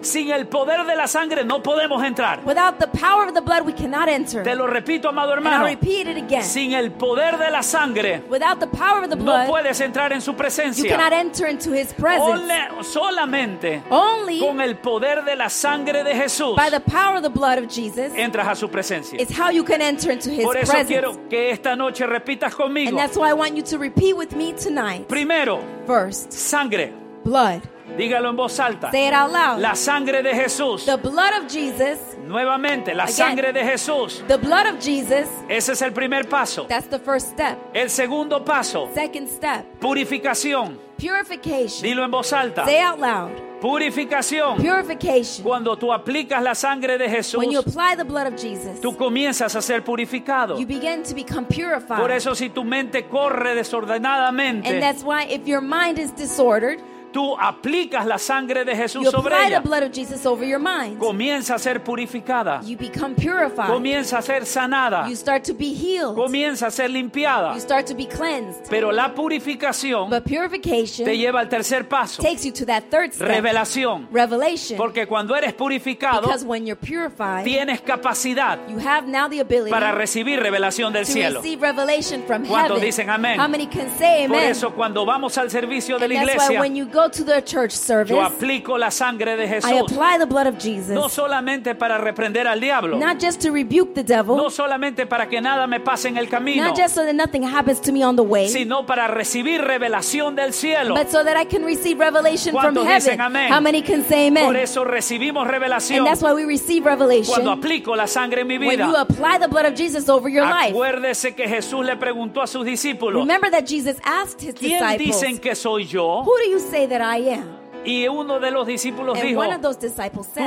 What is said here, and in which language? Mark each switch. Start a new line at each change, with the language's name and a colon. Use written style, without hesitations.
Spanish: Sin el poder de la sangre no podemos entrar.
English: Without the power of the blood we cannot enter.
Spanish: Te lo repito, amado hermano.
English: And I repeat it again.
Spanish: Sin el poder de la sangre,
English: without the power of the blood,
Spanish: no puedes entrar en su presencia.
English: You cannot enter into his presence.
Spanish: Solamente
English: only
Spanish: con el poder de la sangre de Jesús,
English: by the power of the blood of Jesus,
Spanish: entras a su presencia.
English: It's how you can enter into his presence.
Spanish: Por eso quiero que esta noche repitas conmigo.
English: And that's why I want you to repeat with me tonight.
Spanish: Primero,
English: first,
Spanish: sangre,
English: blood.
Spanish: Dígalo en voz alta.
English: Say it out loud.
Spanish: La sangre de Jesús.
English: The blood of Jesus.
Spanish: Nuevamente, la
English: again,
Spanish: sangre de Jesús.
English: The blood of Jesus.
Spanish: Ese es el primer paso.
English: That's the first step.
Spanish: El segundo paso.
English: Second step.
Spanish: Purificación.
English: Purification.
Spanish: Dilo en voz alta.
English: Say out loud.
Spanish: Purificación.
English: Purification.
Spanish: Cuando tú aplicas la sangre de Jesús,
English: when you apply the blood of Jesus,
Spanish: tú comienzas a ser purificado.
English: You begin to become purified.
Spanish: Por eso si tu mente corre desordenadamente,
English: and that's why if your mind is disordered,
Spanish: tú aplicas la sangre de Jesús sobre ella.
English: You apply the blood of Jesus over your mind.
Spanish: Comienza a ser purificada.
English: You become purified.
Spanish: Comienza a ser sanada.
English: You start to be healed.
Spanish: Comienza a ser limpiada.
English: You start to be cleansed.
Spanish: Pero la purificación,
English: but purification,
Spanish: te lleva al tercer paso.
English: Takes you to that third step.
Spanish: Revelación.
English: Revelation.
Spanish: Porque cuando eres purificado,
English: because when you're purified,
Spanish: tienes capacidad,
English: you have now the ability,
Spanish: para recibir revelación del
English: to
Spanish: cielo.
English: Receive revelation from heaven.
Spanish: ¿Cuántos dicen amén?
English: How many can say amen?
Spanish: Por eso cuando vamos al servicio de
English: and
Spanish: la iglesia,
English: that's why when you go to the church service,
Spanish: yo aplico la sangre de Jesús.
English: I apply the blood of Jesus.
Spanish: No solamente para reprender al diablo.
English: Not just to rebuke the devil.
Spanish: No solamente para que nada me pase en el camino.
English: Not just so that nothing happens to me on the way.
Spanish: Sino para recibir revelación del cielo.
English: But so that I can receive revelation from heaven.
Spanish: ¿Cuántos dicen amén?
English: How many can say amen?
Spanish: Por eso recibimos revelación.
English: And that's why we receive revelation.
Spanish: Cuando aplico la sangre en mi vida.
English: When you apply the blood of Jesus over your
Spanish: acuérdese
English: life.
Spanish: Acuérdese que Jesús le preguntó a sus discípulos.
English: Remember that Jesus asked his
Spanish: ¿quién
English: disciples.
Spanish: ¿Quién dicen que soy yo?
English: Who do you say that I am?
Spanish: Y uno de los discípulos
English: and
Spanish: dijo,
English: one of those disciples said,